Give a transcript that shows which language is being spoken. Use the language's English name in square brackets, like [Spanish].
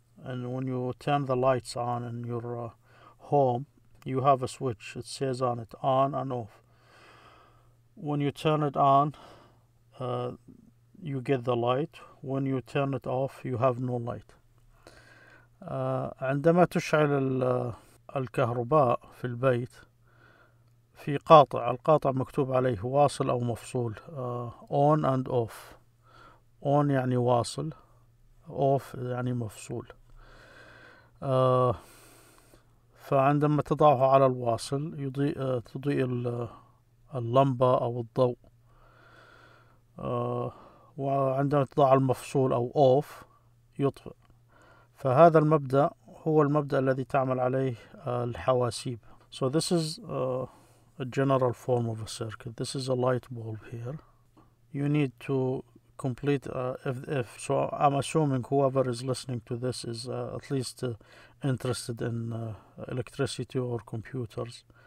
[English] And when you turn the lights on in your home, you have a switch. It says on it, on and off. When you turn it on, you get the light. When you turn it off, you have no light. [Arabic] عندما تشعل الكهرباء في البيت، في قاطع، القاطع مكتوب عليه واصل أو مفصول، [English] on and off. [Arabic] On يعني واصل، off يعني مفصول. فعندما تضعه على الواصل تضيء اللمبة أو الضوء، وعندما تضع المفصول أو off يطفئ. فهذا المبدأ هو المبدأ الذي تعمل عليه الحواسيب. [English] So this is a general form of a circuit. This is a light bulb here. You need to complete so I'm assuming whoever is listening to this is at least interested in electricity or computers.